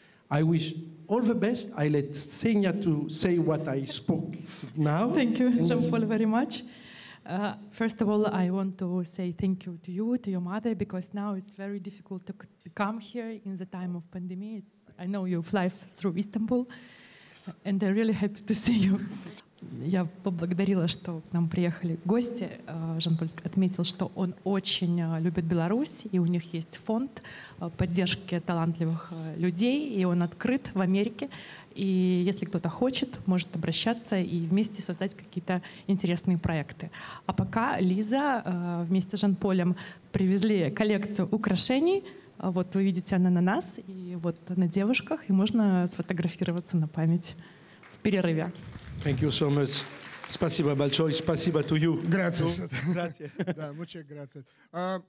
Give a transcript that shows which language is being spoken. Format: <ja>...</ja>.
<en>I wish all the best. I let Senia to say what I spoke now. Thank you, Jean-Paul, very much. First of all, I want to say thank you to you, to your mother, because now it's very difficult to come here in the time of pandemic. I know you fly through Istanbul, and I'm really happy to see you.</en> <ru>Я поблагодарила, что к нам приехали гости. Жан-Поль отметил, что он очень любит Беларусь, и у них есть фонд поддержки талантливых людей, и он открыт в Америке. И если кто-то хочет, может обращаться и вместе создать какие-то интересные проекты. А пока Лиза вместе с Жан-Полем привезли коллекцию украшений. Вот вы видите, она на нас, и вот на девушках, и можно сфотографироваться на память в перерыве.</ru> <en>Thank you so much.</en> <ru>Спасибо большое. Спасибо</ru> <en>to you.</en> <it>Grazie.</it> <es>Да, muchas gracias.</es>